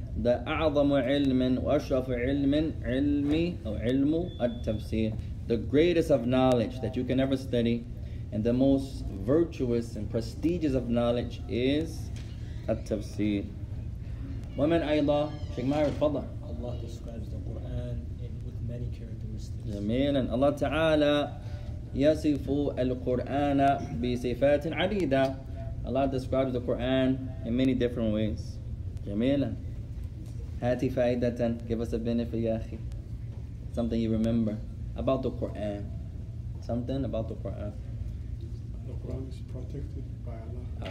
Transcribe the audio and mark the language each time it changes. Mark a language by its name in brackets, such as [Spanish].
[Arabic] The أعظم علم وأشرف علم علمي أو علم التفسير. [English] The greatest of knowledge that you can ever study, and the most virtuous and prestigious of knowledge is التفسير. [Arabic] ومن أيضا شيخ ماهر فضل. [English] Allah describes the Quran with many characteristics. [Arabic] جميلا. Allah تعالى يصف القرآن بصفات عديدة. [English] Allah describes the Quran in many different ways. [Arabic] جميلا. هاتي فائدة. [English] Give us a benefit [Arabic] يا أخي. [English] Something you remember about the Quran. Something about the Quran. The Quran is protected by Allah.